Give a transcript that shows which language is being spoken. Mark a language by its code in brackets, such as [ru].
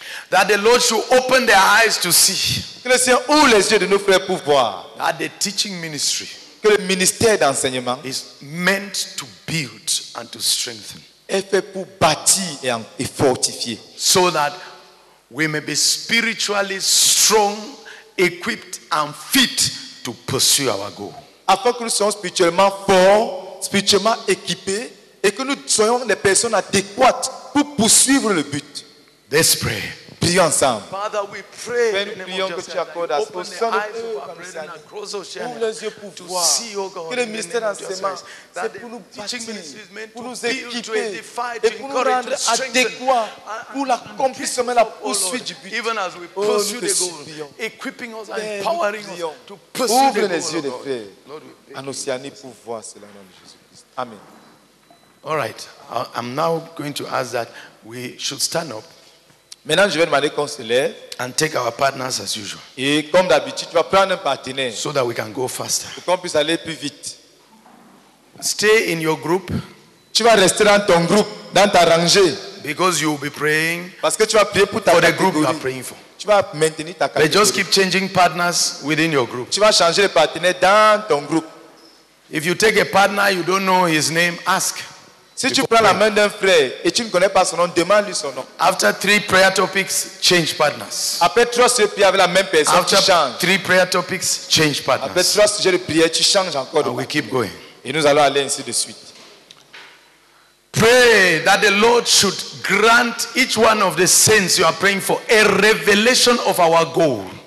[en] That the Lord should open their eyes to see. [fr] Que le Seigneur ouvre les yeux de nos frères pour voir. [en] That the teaching ministry, [fr] que le ministère d'enseignement, [en] is meant to build and to strengthen. [fr] Est fait pour bâtir et fortifier. [en] So that we may be spiritually strong, equipped and fit to pursue our goal. [fr] Afin que nous soyons spirituellement forts, spirituellement équipés, et que nous soyons les personnes adéquates pour poursuivre le but. [en] Let's pray. [fr] Prions ensemble. [en] Father, we pray in the name of Jesus Christ. Open the eyes of our brethren across Oceania. [fr] Ouvre les yeux pour voir. Que le ministère d'enseignement, c'est pour nous bâtir, pour nous équiper, et pour nous rendre adéquats pour l'accomplissement, la poursuite du but. [en] Even as we pursue the goal, equipping us and empowering us to pursue the goal. [fr] Ouvre les yeux des frères en Océanie pour voir cela en nom de Jésus Christ. [en] Amen. All right. I'm now going to ask that we should stand up. [fr] Maintenant, je vais demander qu'on se lève. [en] And take our partners as usual. [fr] Et comme d'habitude, tu vas prendre un partenaire. [en] So that we can go faster. [fr] Pour qu'on puisse aller plus vite. [en] Stay in your group. [fr] Tu vas rester dans ton groupe, dans ta rangée. [en] Because you will be praying. [fr] Parce que tu vas prier pour ta [en] for the group you are praying for. [fr] Tu vas maintenir ta [en] catégorie. But just keep changing partners within your group. [fr] Tu vas changer les partenaires dans ton groupe. [en] If you take a partner you don't know his name, ask. [fr] Si tu prends la main d'un frère et tu ne connais pas son nom, demande-lui son nom. [en] After three prayer topics, change partners. [fr] Après trois sujets de prière avec la même personne, [en] after [fr] tu changes. [en] Three prayer topics, change partners. [fr] Après trois sujets de prière, tu changes encore. [en] And we keep going. [fr] Et nous allons aller ainsi de suite. [en] Pray that the Lord should grant each one of the saints you are praying for a revelation of our goal.